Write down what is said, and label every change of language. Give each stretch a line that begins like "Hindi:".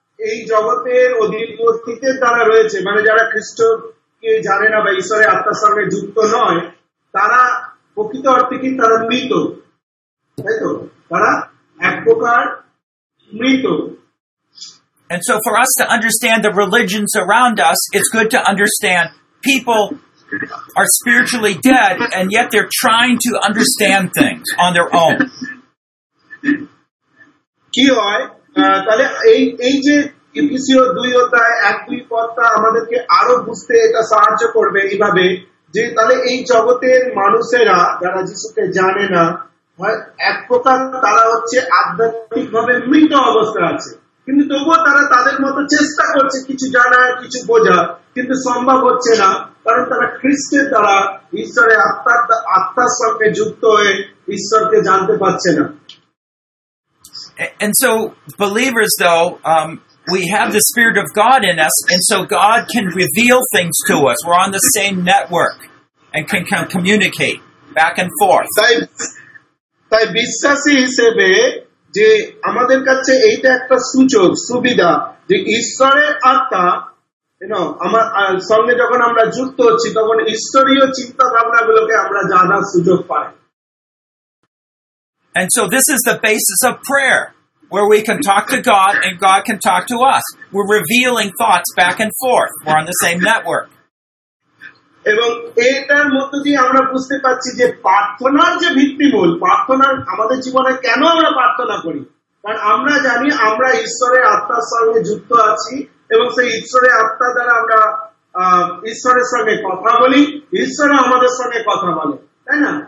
Bangla: এই জগতের অধিপতিত্বের দ্বারা রয়েছে, মানে যারা খ্রিস্টকে জানে না বা ঈশ্বরের আত্মার সঙ্গে যুক্ত নয়, তারা প্রকৃত অর্থে কি তারা মৃত, তাই তো? তারা এক প্রকার মৃত।
English: And so for us to understand the religions around us, it's good to understand people are spiritually dead and yet they're trying to understand things on their own.
Bangla: কি হয় তাহলে এই এই যে ইফিসিয় দুই অধ্যায় এক দুই পদটা আমাদেরকে আরো বুঝতে এটা সাহায্য করবে এইভাবে যে তাহলে এই জগতের মানুষেরা যারা যিশুকে জানে না এক প্রকার তারা হচ্ছে আধ্যাত্মিক ভাবে মৃত অবস্থা আছে, কিন্তু তবুও তারা তাদের মতো চেষ্টা করছে কিছু জানার কিছু বোঝা, কিন্তু সম্ভব হচ্ছে না, কারণ তারা খ্রিস্টের দ্বারা ঈশ্বরের আত্মার আত্মার সঙ্গে যুক্ত হয়ে ঈশ্বরকে জানতে পারছে না।
English: And so believers though we have the spirit of God in us, and so God can reveal things to us, we're on the same network and can communicate back and forth.
Bangla: তাই বিশ্বাসী হিসেবে যে আমাদের কাছে এইটা একটা সুযোগ সুবিধা যে ঈশ্বরের আত্মা আমার সঙ্গে যখন আমরা যুক্ত হচ্ছি তখন ঈশ্বরীয় চিন্তা ভাবনা গুলোকে আমরা জানার সুযোগ পাই।
English: And so this is the basis of prayer, where we can talk to God and God can talk to us. We're revealing thoughts back and forth. We're on the same network.
Bangla: এবং এটার মধ্যে দিয়ে আমরা বুঝতে পারছি যে প্রার্থনার যে ভিত্তিমূল, প্রার্থনার আমাদের জীবনে কেন আমরা প্রার্থনা করি, কারণ আমরা জানি আমরা ঈশ্বরের আত্মার সঙ্গে যুক্ত আছি এবং সেই ঈশ্বরের আত্মা দ্বারা আমরা ঈশ্বরের সঙ্গে কথা বলি, ঈশ্বর আমাদের সঙ্গে কথা বলে, তাই না?